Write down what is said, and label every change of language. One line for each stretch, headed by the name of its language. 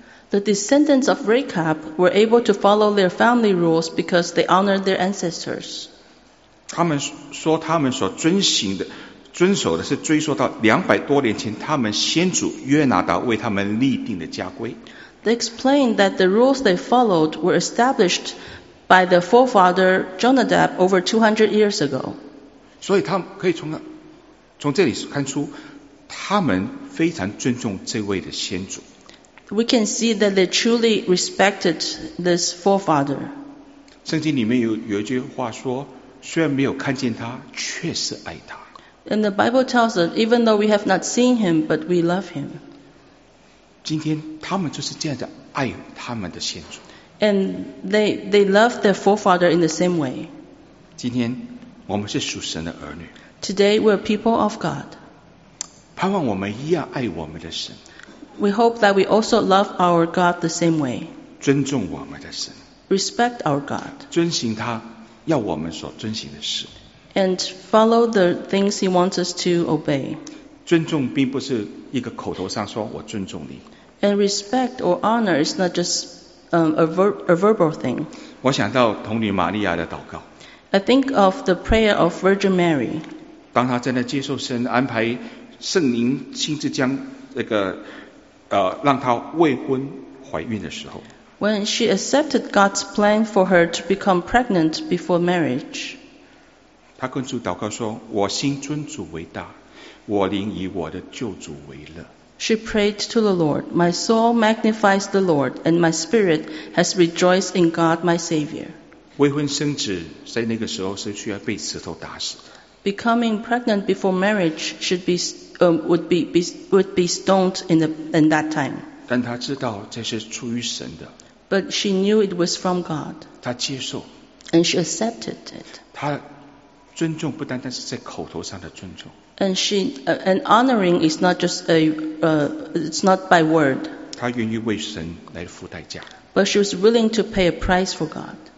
English: The descendants of Rechab were able to follow their family rules because they honored their ancestors.
Chinese: 他们说他们所遵守的是追溯到两百多年前他们先祖约拿达为他们立定的家规。
English: They explained that the rules they followed were established by the forefather Jonadab over 200 years ago.
Chinese: 所以他们可以从这里看出他们非常尊重这位的先祖。
English: We can see that they truly respected this forefather.
Chinese: 圣经里面 有一句话说虽然没有看见他，却是爱他。
English: And the Bible tells us, even though we have not seen him, but we love him.
Chinese: 今天他们就是这样的爱他们的先祖。
English: And they love their forefather in the same way.
Chinese: 今天我们是属神的儿女。
English: Today we're people of God.
Chinese: 盼望我们一样爱我们的神。
English: We hope that we also love our God the same way.
Chinese: 尊重我们的神。
English: Respect our God.
Chinese: 遵行他。要我们所遵行的事。
English: And follow the things he wants us to obey.
Chinese: 尊重并不是一个口头上说我尊重你。
English: And respect or honor is not just a verbal thing.
Chinese: 我想到童女玛利亚的祷告。
English: I think of the prayer of Virgin Mary.
Chinese: 当她正在接受神安排圣灵亲自将那个让她未婚怀孕的时候。
English: When she accepted God's plan for her to become pregnant before marriage,
Chinese: 她跟主祷告说：“我心尊主为大，我灵以我的救主为乐。”
English: She prayed to the Lord, "My soul magnifies the Lord, and my spirit has rejoiced in God, my Savior."
Chinese: 未婚生子在那个时候是需要被石头打死的。
English: Becoming pregnant before marriage would be stoned in that time.
Chinese: 但她知道这是出于神的。
English: But she knew it was from God.
Chinese: 她接受。
English: And she accepted it.
Chinese: 她尊重不单单是在口头上的尊重。
English: And she, and honoring is not just a, it's not by word.
Chinese: 她愿意为神来付代价。
English: But she was willing to pay a price for God.